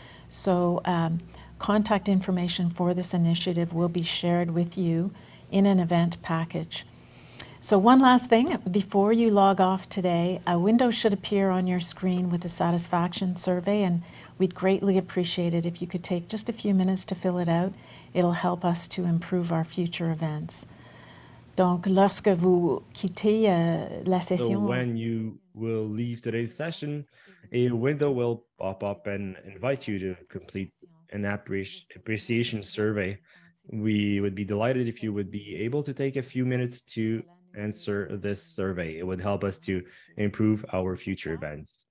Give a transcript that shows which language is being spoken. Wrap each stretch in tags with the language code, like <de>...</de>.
<en>So contact information for this initiative will be shared with you in an event package. So one last thing, before you log off today, a window should appear on your screen with a satisfaction survey, and we'd greatly appreciate it if you could take just a few minutes to fill it out. It'll help us to improve our future events.</en> <fr>Donc, lorsque vous quittez la session...</fr> <en>So when you will leave today's session, a window will pop up and invite you to complete an appreciation survey. We would be delighted if you would be able to take a few minutes to answer this survey. It would help us to improve our future events.</en>